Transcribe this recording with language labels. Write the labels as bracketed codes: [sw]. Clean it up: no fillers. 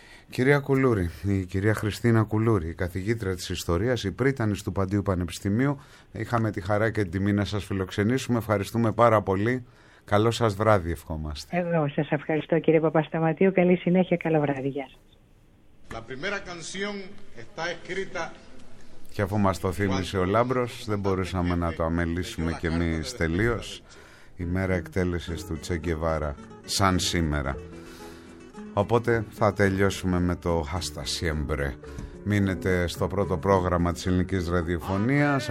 [el] Κυρία Κουλούρη, η κυρία Χριστίνα Κουλούρη, η καθηγήτρια της ιστορίας, η πρίτανης του Παντείου Πανεπιστημίου, είχαμε τη χαρά και την τιμή να σας φιλοξενήσουμε. Ευχαριστούμε πάρα πολύ. Καλό σας βράδυ ευχόμαστε. Εγώ σας ευχαριστώ, κύριε Παπασταματίου. Καλή συνέχεια, καλό βράδυ. Γεια σας. [es] La primera canción está escrita. [el] Και αφού μας το θύμισε ο Λάμπρος, δεν μπορούσαμε να το αμελήσουμε κι εμείς τελείως. Η μέρα εκτέλεσης του Τσε Γκεβάρα, σαν σήμερα. Οπότε θα τελειώσουμε με το Hasta Siempre. Μείνετε στο πρώτο πρόγραμμα της ελληνικής ραδιοφωνίας.